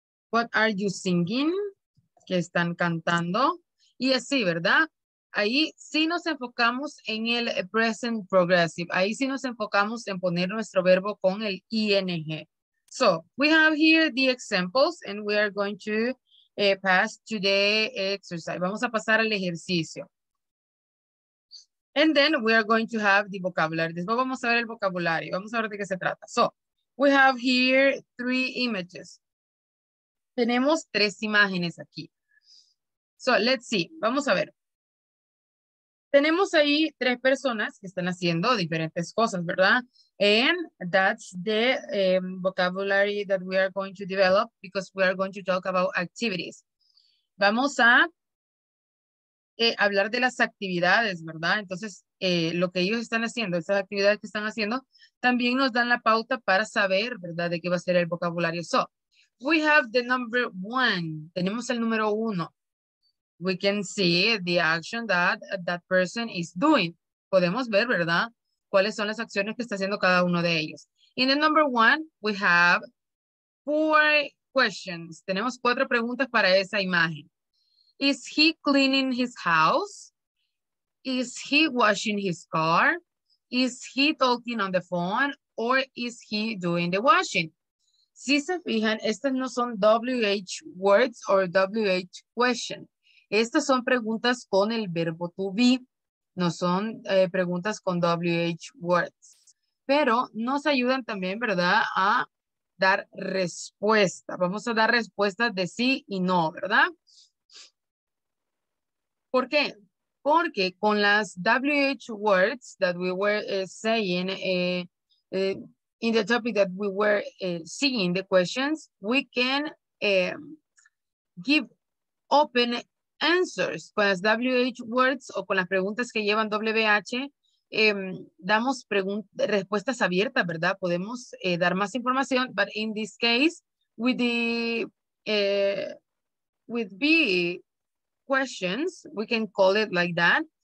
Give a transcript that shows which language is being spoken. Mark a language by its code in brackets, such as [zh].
[en] What are you singing? [es] ¿Qué están cantando? Y así, ¿verdad? Ahí sí nos enfocamos en el present progressive. Ahí sí nos enfocamos en poner nuestro verbo con el ing. [en] So, we have here the examples and we are going to pass to the exercise. [es] Vamos a pasar al ejercicio. [en] And then we are going to have the vocabulary. [es] Después vamos a ver el vocabulario. Vamos a ver de qué se trata. [en] So, we have here three images. [es] Tenemos tres imágenes aquí. [en] So, let's see. [es] Vamos a ver. Tenemos ahí tres personas que están haciendo diferentes cosas, ¿verdad? [en] And that's the vocabulary that we are going to develop because we are going to talk about activities. [es] Vamos a hablar de las actividades, ¿verdad? Entonces, lo que ellos están haciendo, esas actividades que están haciendo, también nos dan la pauta para saber, ¿verdad?, de qué va a ser el vocabulario. [en] So, we have the number one. [es] Tenemos el número uno. [en] We can see the action that that person is doing. [es] Podemos ver, ¿verdad?, cuáles son las acciones que está haciendo cada uno de ellos. [en] In the number one, we have four questions. [es] Tenemos cuatro preguntas para esa imagen. [en] Is he cleaning his house? Is he washing his car? Is he talking on the phone? Or is he doing the washing? [es] Si se fijan, estas no son [en] WH words or WH question. [es] Estas son preguntas con el verbo to be. No son preguntas con WH words. Pero nos ayudan también, ¿verdad?, a dar respuesta. Vamos a dar respuestas de sí y no, ¿verdad? ¿Por qué? Porque con las [en] WH words that we were saying in the topic that we were seeing the questions, we can give open answers. [es] Con las WH words o con las preguntas que llevan WH, damos respuestas abiertas, ¿verdad? Podemos dar más información, [en] but in this case, with the with B questions, we can call it like that.